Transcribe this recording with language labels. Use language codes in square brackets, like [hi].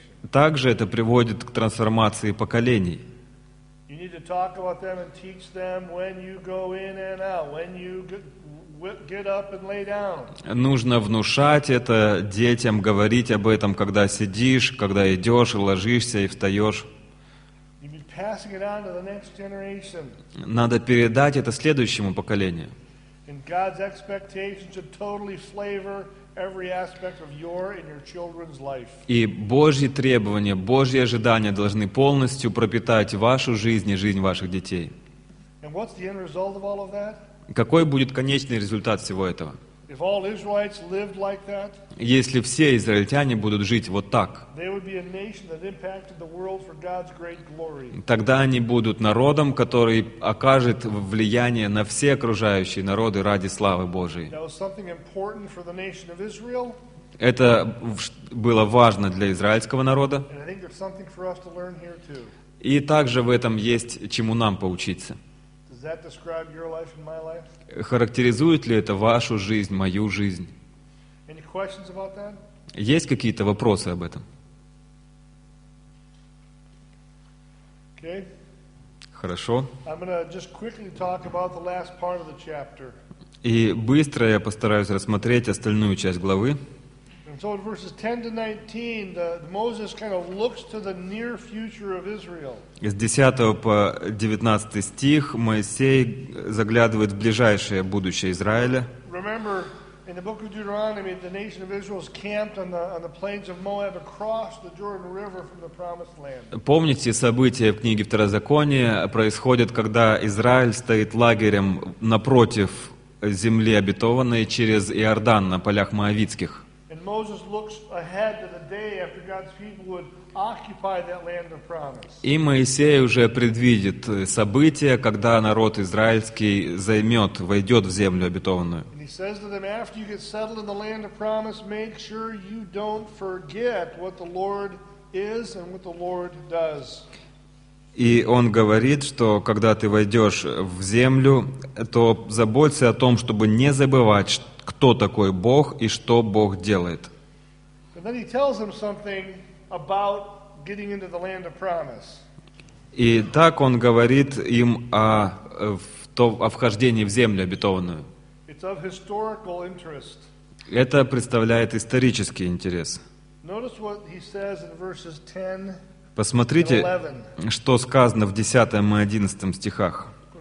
[ru] Также это приводит к трансформации поколений. [en] You need to talk about them and teach them when you go in and out, when you get up and lay down. [ru] Нужно внушать это детям, говорить об этом, когда сидишь, когда идешь, ложишься и встаешь. [en] You need passing it on to the next generation. [ru] Надо передать это следующему поколению. [en] And God's expectations should totally flavor every aspect of your and your children's life. [ru] И Божьи требования, Божьи ожидания должны полностью пропитать вашу жизнь и жизнь ваших детей. [en] And what's the end result of all of that? [ru] Какой будет конечный результат всего этого? [en] If all Israelites lived like that, [ru] если все израильтяне будут жить вот так, [en] they would be a nation that impacted the world for God's great glory. [ru] Тогда они будут народом, который окажет влияние на все окружающие народы ради славы Божией. [en] That was something important for the nation of Israel. [ru] Это было важно для израильского народа. [en] And I think there's something for us to learn here too. [ru] И также в этом есть чему нам поучиться. [en] Does that describe your life and my life? [ru] Характеризует ли это вашу жизнь, мою жизнь? [en] Any questions about that? [ru] Есть какие-то вопросы об этом? [en] Okay. [ru] Хорошо. [en] I'm gonna just quickly talk about the last part of the chapter. [ru] И быстро я постараюсь рассмотреть остальную часть главы. [en] And so in verses 10 to 19, Moses kind of looks to the near future of Israel. [ru] С 10 по 19 стих Моисей заглядывает в ближайшее будущее Израиля. [en] Remember, In the book of Deuteronomy, the nation of Israel is camped on the plains of Moab across the Jordan River from the promised land. [ru] Помните, события в книге Второзакония происходят, когда Израиль стоит лагерем напротив земли обетованной через Иордан на полях Моавитских. [en] And Moses looks ahead to the day after God's people would occupy that land of promise. [ru] И Моисей уже предвидит события, когда народ израильский займет, войдет в землю обетованную. [en] And he says to them, after you get settled in the land of promise, make sure you don't forget what the Lord is and what the Lord does. [ru] И он говорит, что когда ты войдешь в землю, то заботься о том, чтобы не забывать, кто такой Бог и что Бог делает. [en] And then he tells them something about getting into the land of promise. [ru] И так он говорит им о вхождении в землю обетованную. [en] It's of historical interest. [ru] Это представляет исторический интерес. [en] Notice what he says in verses 10. [ru] Посмотрите, что сказано в 10 и 11 стихах.